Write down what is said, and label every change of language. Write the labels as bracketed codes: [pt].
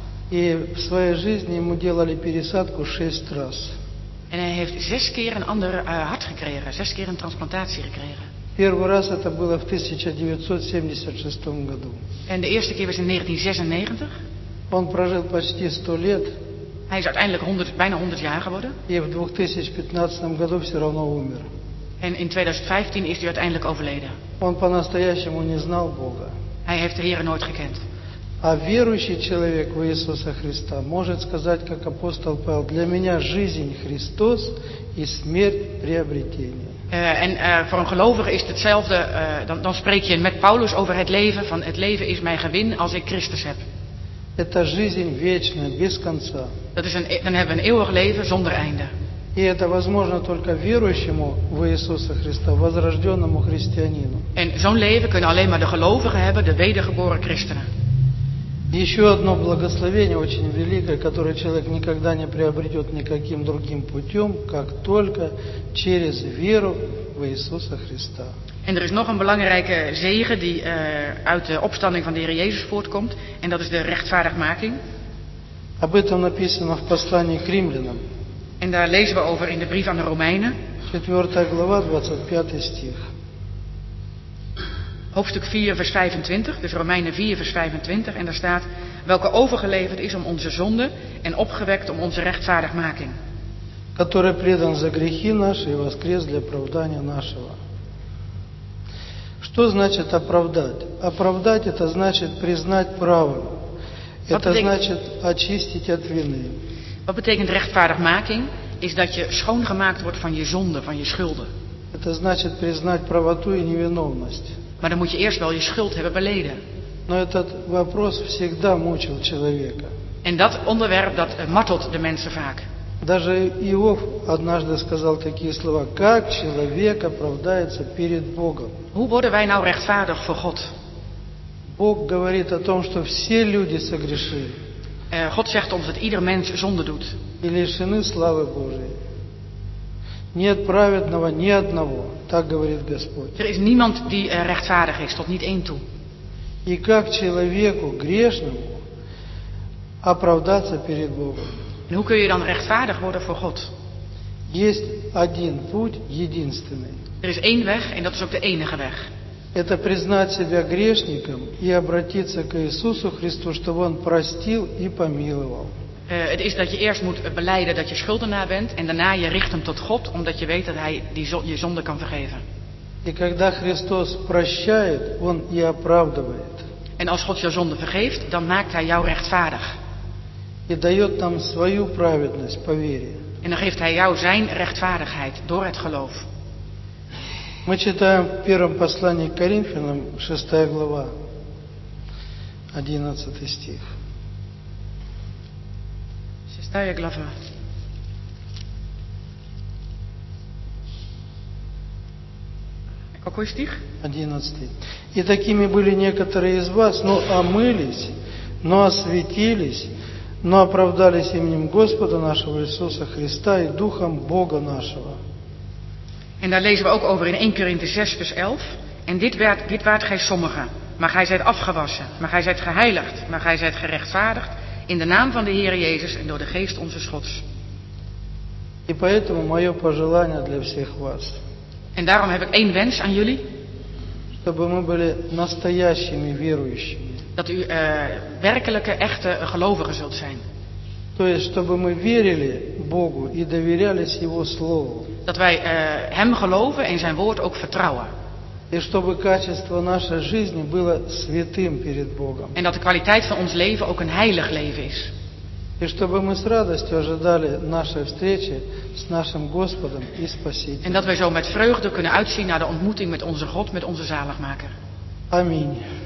[ru] И в своей жизни ему делали пересадку 6 раз. [nl] En hij heeft 6 keer een ander hart gekregen, 6 keer een transplantatie gekregen. [ru] Первый раз это было в 1976 году. [nl] En de eerste keer was in 1996. [ru] Он прожил почти 100 лет. [nl] Hij is uiteindelijk 100, bijna 100 jaar geworden. [ru] И в 2015 году все равно умер. [nl] En in 2015 is hij uiteindelijk overleden. [ru] Он по-настоящему не знал Бога. [nl] Hij heeft de Heer nooit gekend. [ru] А верующий человек в Иисуса Христа может сказать, как апостол Павел, для меня жизнь Христос и смерть приобретение. [nl] Voor een gelovige is hetzelfde, dan spreek je met Paulus over het leven, van het leven is mijn gewin als ik Christus heb. [ru] Это жизнь вечная, без конца. [nl] Dat is dan hebben we een eeuwig leven zonder einde. [ru] И это возможно только верующему в Иисуса Христа, возрожденному христианину. [nl] En zo'n leven kunnen alleen maar de gelovigen hebben, de wedergeboren christenen. [ru] Еще одно благословение очень великое, которое человек никогда не приобретет никаким другим путем, как только через веру в Иисуса Христа. [nl] En er is nog een belangrijke zegen die uit de opstanding van de Heer Jezus voortkomt, en dat is de rechtvaardigmaking. [ru] Об этом написано в послании к римлянам. [nl] En daar lezen we over in de brief aan de Romeinen. [ru] 4 глава, 25 стих. [nl] Hoofdstuk 4, vers 25, dus Romeinen 4, vers 25, en daar staat: welke overgeleverd is om onze zonde en opgewekt om onze rechtvaardigmaking. [ru] Который предан за грехи наши и воскрес для оправдания нашего. Что значит оправдать? Оправдать — это значит признать правым. Это значит очистить от вины. [nl] Wat betekent rechtvaardigmaking? Is dat je schoongemaakt wordt van je zonde, van je schulden. [ru] Это значит признать правоту и невиновность. [nl] Maar dan moet je eerst wel je schuld hebben beleden. [ru] Но этот вопрос всегда мучил человека. [nl] En dat onderwerp dat martelt de mensen vaak. [ru] Даже Иов однажды сказал такие слова: как человек оправдается перед Богом? [nl] Hoe worden wij nou rechtvaardig voor God? [ru] Бог говорит о том, что все люди согрешили. [nl] God zegt ons dat ieder mens zonde doet. [ru] И лишены славы Божией. Нет праведного ни одного, так говорит Господь. [nl] Er is niemand die rechtvaardig is, tot niet één toe. [ru] И как человеку грешному оправдаться перед Богом? [nl] En hoe kun je dan rechtvaardig worden voor God? [ru] Есть один путь, единственный. [nl] Er is één weg en dat is ook de enige weg. [ru] Это признать себя грешником и обратиться к Иисусу Христу, чтобы Он простил и помиловал. [nl] Het is dat je eerst moet belijden dat je schuldenaar bent en daarna je richt hem tot God, omdat je weet dat Hij je zonde kan vergeven. [ru] И когда Христос прощает, Он и оправдывает. [nl] En als God jouw zonde vergeeft, dan maakt Hij jou rechtvaardig. [ru] И дает нам свою праведность по вере. [nl] En dan geeft Hij jou zijn rechtvaardigheid door het geloof. [ru] Мы читаем в первом послании к Коринфянам, 6 глава, 11 стих. 6 глава. Какой стих? 11. И такими были некоторые из вас, но омылись, но освятились, но оправдались именем Господа нашего Иисуса Христа и Духом Бога нашего. [nl] En daar lezen we ook over in 1 Korinthe 6, vers 11. En dit waart gij sommigen, maar gij zijt afgewassen, maar gij zijt geheiligd, maar gij zijt gerechtvaardigd in de naam van de Heer Jezus en door de Geest onze Gods. [ru] И поэтому мое пожелание для всех вас. [nl] En daarom heb ik één wens aan jullie. [ru] Чтобы мы были настоящими верующими. [nl] Dat u werkelijke, echte gelovigen zult zijn. [ru] То есть, чтобы мы верили Богу и доверялись Его Слову. [nl] Dat wij Hem geloven en Zijn woord ook vertrouwen. [ru] И чтобы качество нашей жизни было святым перед Богом. [nl] En dat de kwaliteit van ons leven ook een heilig leven is. [ru] И чтобы мы с радостью ожидали нашей встречи с нашим Господом и Спасителем. [nl] En dat wij zo met vreugde kunnen uitzien naar de ontmoeting met onze God, met onze Zaligmaker. Amen.